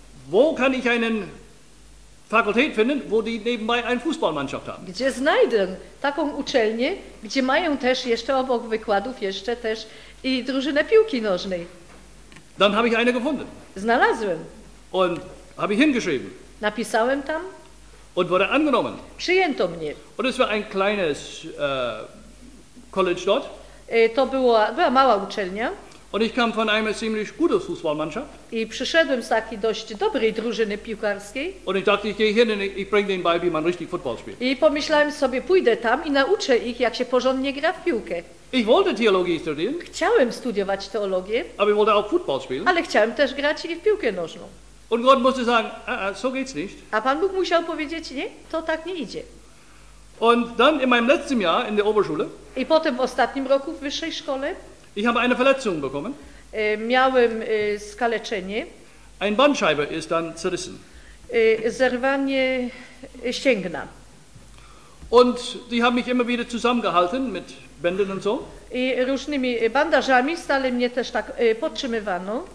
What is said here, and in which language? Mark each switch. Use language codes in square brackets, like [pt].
[de] Wo kann ich einen Fakultät finden, wo die nebenbei eine Fußballmannschaft haben? [pl] Gdzie znajdę taką uczelnię, gdzie mają też jeszcze obok wykładów jeszcze też i drużynę piłki nożnej? [de] Dann habe ich eine gefunden. [pl] Znalazłem. [de] Und habe ich hingeschrieben. [pl] Napisałem tam. [de] Und wurde angenommen. [pl] Przyjęto mnie. [de] Und es war ein kleines College dort. [pl] To była mała uczelnia. [de] Und ich kam von einer ziemlich guten Fußballmannschaft. [pl] I przyszedłem z takiej dość dobrej drużyny piłkarskiej. [de] Und ich dachte, ich gehe hin und ich bringe denen bei, wie man richtig Football spielt. [pl] I pomyślałem sobie, pójdę tam i nauczę ich, jak się porządnie gra w piłkę. [de] Ich wollte Theologie studieren. [pl] Chciałem studiować teologię. [de] Aber ich wollte auch Football spielen. [pl] Ale chciałem też grać i w piłkę nożną. [de] Und Gott musste sagen, so geht's nicht. [pl] A Pan Bóg musiał powiedzieć, nie, to tak nie idzie. [de] Und dann in meinem letzten Jahr in der Oberschule. [pl] I potem w ostatnim roku w wyższej szkole. [de] Ich habe eine Verletzung bekommen. [pl] Miałem skaleczenie. [de] Ein Bandscheibe ist dann zerrissen. [pl] Zerwanie ścięgna. [de] Und die haben mich immer wieder zusammengehalten mit Bändern und so. [pl] I różnymi bandażami stale mnie też tak podtrzymywano.